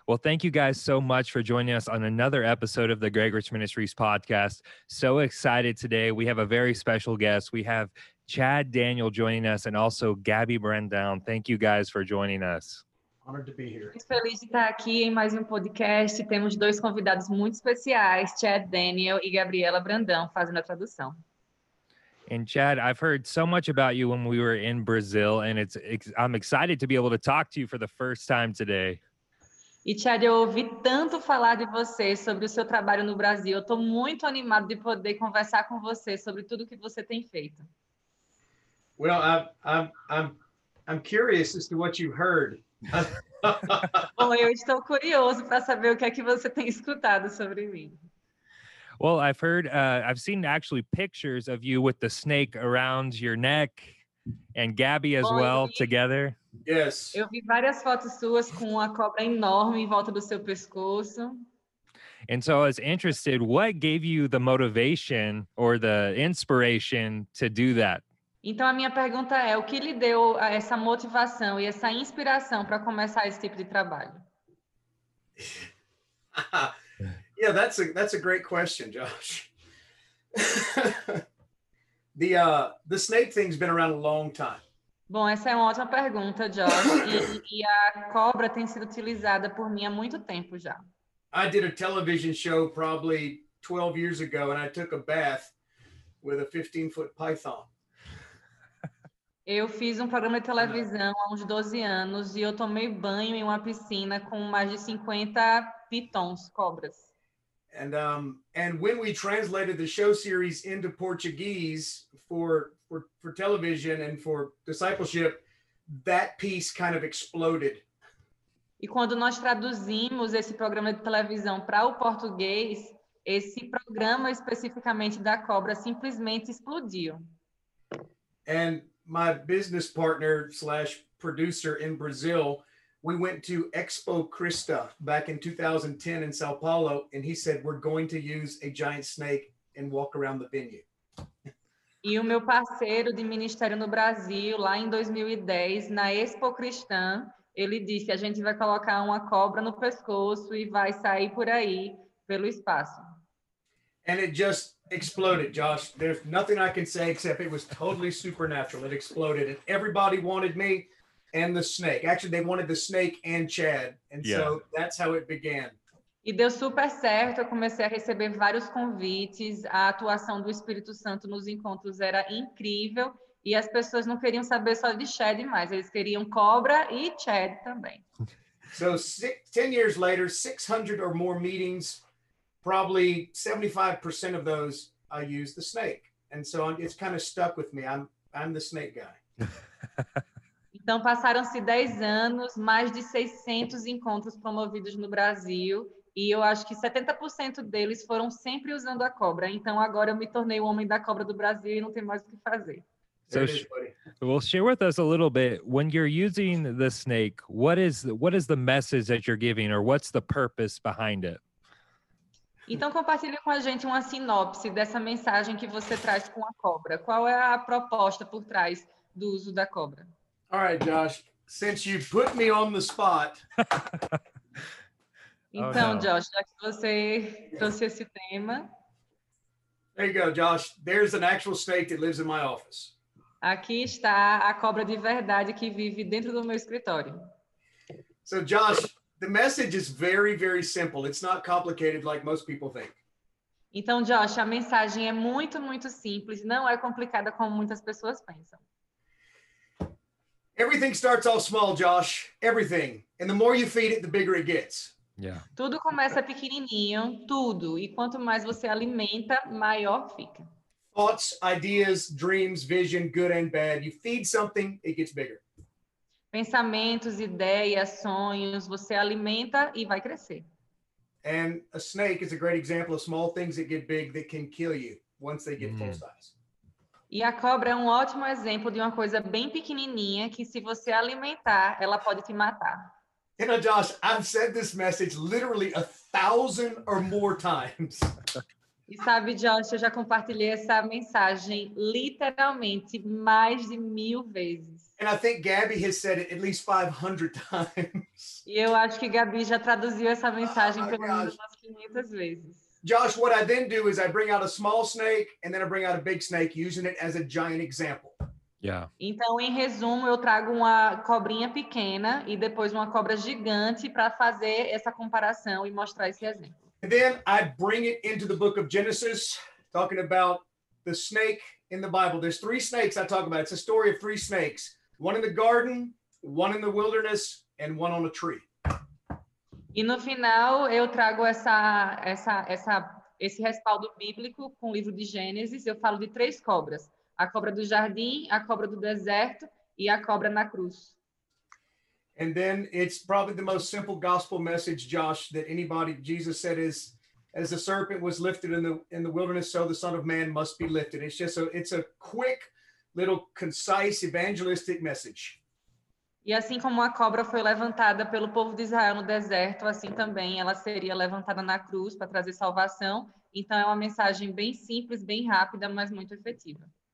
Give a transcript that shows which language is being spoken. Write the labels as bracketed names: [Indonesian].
[English] Well, thank you guys so much for joining us on another episode of the Greg Rich Ministries podcast. So excited today. We have a very special guest. We have Chad Daniel joining us and also Gabby Brandão. Thank you guys for joining us. Honored to be here. [Portuguese] Muito feliz de estar aqui em mais podcast. Temos dois convidados muito especiais, Chad Daniel e Gabriela Brandão, fazendo a tradução. [English] And Chad, I've heard so much about you when we were in Brazil, and I'm excited to be able to talk to you for the first time today. [Portuguese] E Chad, eu ouvi tanto falar de você sobre o seu trabalho no Brasil. Eu estou muito animado de poder conversar com você sobre tudo que você tem feito. [English] Well, I'm curious as to what you heard. [Portuguese] Bom, eu estou curioso para saber o que é que você tem escutado sobre mim. [English] Well, I've heard, I've seen actually pictures of you with the snake around your neck and Gabby as well together. Yes. [Portuguese] Eu vi várias fotos suas com a cobra enorme em volta do seu pescoço. [English] And so I was interested, what gave you the motivation or the inspiration to do that? [Portuguese] Então a minha pergunta é, o que lhe deu essa motivação e essa inspiração para começar esse tipo de trabalho? [English] Yeah, that's a great question, Josh. The snake thing's been around a long time. [Portuguese] Bom, essa é uma ótima pergunta, Josh. E a cobra tem sido utilizada por mim há muito tempo já. [English] I did a television show probably 12 years ago and I took a bath with a 15-foot python. [Portuguese] Eu fiz programa de televisão há uns 12 anos e eu tomei banho em uma piscina com mais de 50 pitons, cobras. [English] And when we translated the show series into Portuguese for television and for discipleship, that piece kind of exploded. [Portuguese] E quando nós traduzimos esse programa de televisão para o português, esse programa especificamente da cobra simplesmente explodiu. [English] And my business partner slash producer in Brazil, we went to Expo Christa back in 2010 in Sao Paulo, and he said, we're going to use a giant snake and walk around the venue. [Portuguese] E o meu parceiro de ministério no Brasil, lá em 2010, na Expo Christa, ele disse, a gente vai colocar uma cobra no pescoço e vai sair por aí, pelo espaço. [English] And it just exploded, Josh. There's nothing I can say except it was totally supernatural. It exploded, and everybody wanted me. And the snake. Actually, they wanted the snake and Chad. And yeah. So that's how it began. [Portuguese] E deu super certo. Eu comecei a receber vários convites. A atuação do Espírito Santo nos encontros era incrível. E as pessoas não queriam saber só de Chad mais. Eles queriam cobra e Chad também. [English] So 10 years later, 600 or more meetings, probably 75% of those, I use the snake. And so it's kind of stuck with me. I'm the snake guy. [Portuguese] Então, passaram-se 10 anos, mais de 600 encontros promovidos no Brasil, e eu acho que 70% deles foram sempre usando a cobra. Então, agora eu me tornei o homem da cobra do Brasil e não tem mais o que fazer. [English] So, well, share with us a little bit, when you're using the snake, what is the message that you're giving, or what's the purpose behind it? [Portuguese] Então, compartilhe com a gente uma sinopse dessa mensagem que você traz com a cobra. Qual é a proposta por trás do uso da cobra? [English] All right, Josh, since you put me on the spot. [Portuguese] Então, [English] oh, no. [Portuguese] Josh, já que você trouxe esse tema. [English] There you go, Josh. There's an actual snake that lives in my office. [Portuguese] Aqui está a cobra de verdade que vive dentro do meu escritório. [English] So, Josh, the message is very, very simple. It's not complicated like most people think. [Portuguese] Então, Josh, a mensagem é muito, muito simples. Não é complicada como muitas pessoas pensam. [English] Everything starts off small, Josh. Everything. And the more you feed it, the bigger it gets. Yeah. [Portuguese] Tudo começa pequenininho, tudo. E quanto mais você alimenta, maior fica. [English] Thoughts, ideas, dreams, vision, good and bad. You feed something, it gets bigger. [Portuguese] Pensamentos, ideias, sonhos, você alimenta e vai crescer. [English] And a snake is a great example of small things that get big that can kill you once they get full size. [Portuguese] E a cobra é um ótimo exemplo de uma coisa bem pequenininha que se você alimentar, ela pode te matar. [English] You know, Josh, I've said this message literally 1,000 or more times. [Portuguese] E sabe, Josh, eu já compartilhei essa mensagem literalmente mais de 1,000 vezes. [English] And I think Gabby has said it at least 500 times. [Portuguese] E eu acho que Gabi já traduziu essa mensagem pelo menos umas 500 vezes. [English] Josh, what I then do is I bring out a small snake and then I bring out a big snake using it as a giant example. Yeah. [Portuguese] Então, em resumo, eu trago uma cobrinha pequena e depois uma cobra gigante para fazer essa comparação e mostrar esse exemplo. [English] And then I bring it into the book of Genesis, talking about the snake in the Bible. There's three snakes I talk about. It's a story of three snakes. One in the garden, one in the wilderness, and one on a tree. [Portuguese] E no final, eu trago esse respaldo bíblico com o livro de Gênesis. Eu falo de três cobras. A cobra do jardim, a cobra do deserto e a cobra na cruz. [English] And then it's probably the most simple gospel message, Josh, that anybody, Jesus said is, as the serpent was lifted in the wilderness, so the Son of Man must be lifted. It's a quick, little, concise, evangelistic message. [Portuguese] E assim como a cobra foi levantada pelo povo de Israel no deserto, assim também ela seria levantada na cruz para trazer salvação. Então é uma mensagem bem simples, bem rápida, mas muito efetiva.